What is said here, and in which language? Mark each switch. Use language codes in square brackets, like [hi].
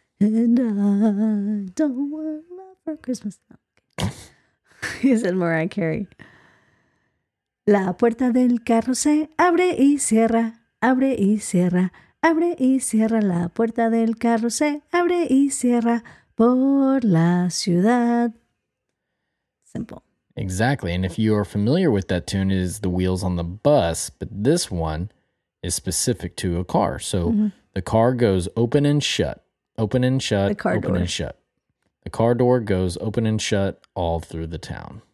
[en] And I don't want love for Christmas. He said Mariah Carey. [es] La puerta del carro se abre y cierra, abre y cierra, abre y cierra. La puerta del carro se abre y cierra por la ciudad. [en] Simple. Exactly. And if you are familiar with that tune, it is the wheels on the bus. But this one is specific to a car. So mm-hmm. the car goes open and shut, open and shut, the car open door. And shut. The car door goes open and shut all through the town.